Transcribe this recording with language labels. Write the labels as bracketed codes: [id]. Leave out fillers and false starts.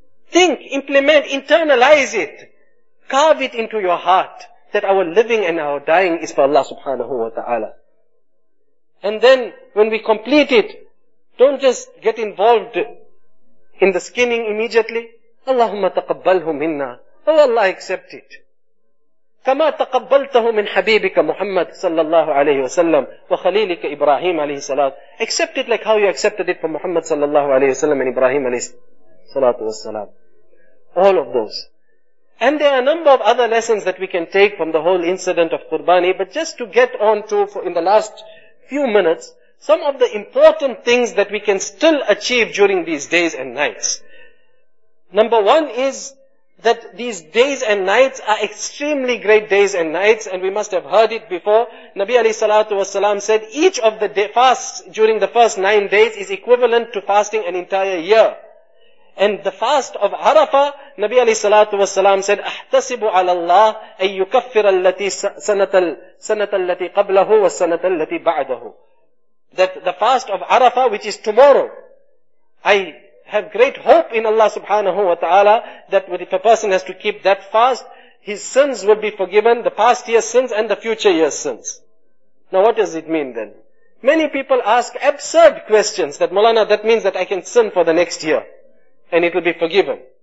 [en] Think, implement, internalize it. Carve it into your heart that our living and our dying is for Allah subhanahu wa ta'ala. And then when we complete it, don't just get involved in the skinning immediately. [ar] Allahumma taqabbalhu minna. [en] Oh Allah, accept it. [ar] كما تقبلته من حبيبك محمد صلى الله عليه وسلم وخليلك إبراهيم عليه الصلاة. [en] Accept it like how you accepted it from Muhammad [ar] صلى الله عليه وسلم [en] and Ibrahim [ar] عليه الصلاة والسلام. [en] All of those. And there are a number of other lessons that we can take from the whole incident of Qurbani. But just to get on to, for in the last few minutes, some of the important things that we can still achieve during these days and nights. Number one is that that these days and nights are extremely great days and nights, and we must have heard it before. Nabi alayhi salatu wasalam said, each of the fasts during the first 9 days is equivalent to fasting an entire year. And the fast of Arafah, Nabi alayhi salatu wasalam said, [ar] أَحْتَسِبُ عَلَى اللَّهِ أَن يُكَفِّرَ الَّتِي سَنَةَ الَّتِي قَبْلَهُ وَالسَّنَةَ الَّتِي بَعْدَهُ. [en] That the fast of Arafah, which is tomorrow, I have great hope in Allah subhanahu wa ta'ala that if a person has to keep that fast, his sins will be forgiven, the past year's sins and the future year's sins. Now what does it mean then? Many people ask absurd questions that, Mawlana, that means that I can sin for the next year and it will be forgiven.